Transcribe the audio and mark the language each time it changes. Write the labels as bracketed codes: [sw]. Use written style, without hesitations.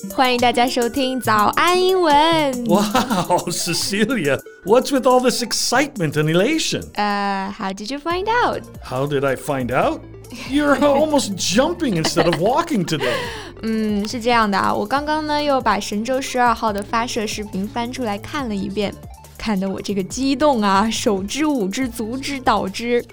[zh] 欢迎大家收听早安英文。 [en] Wow, Cecilia, what's with all this excitement and elation? How did you find out? How did I find out? You're almost jumping instead of walking today. [zh] 是这样的啊，我刚刚呢又把神舟十二号的发射视频翻出来看了一遍。看得我这个激动啊，手指舞之足之蹈之。